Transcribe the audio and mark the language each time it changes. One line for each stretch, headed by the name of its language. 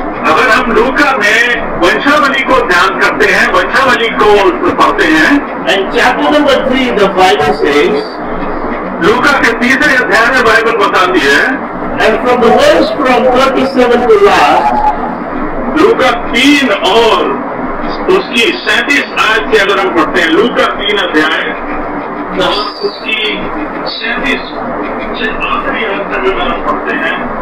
Hindi: अगर हम लूका में वंशावली को ध्यान करते हैं, वंशावली को पढ़ते हैं,
English: and chapter number 3, the Bible says,
Hindi: लूका के तीसरे अध्याय में बाइबल बताती है,
English: and from the verse from 37 to last,
Hindi: लूका तीन और उसकी 37 आयत से अगर हम पढ़ते हैं, लूका तीन अध्याय, उसकी 37 से आखिरी आयत तक अगर हम पढ़ते हैं,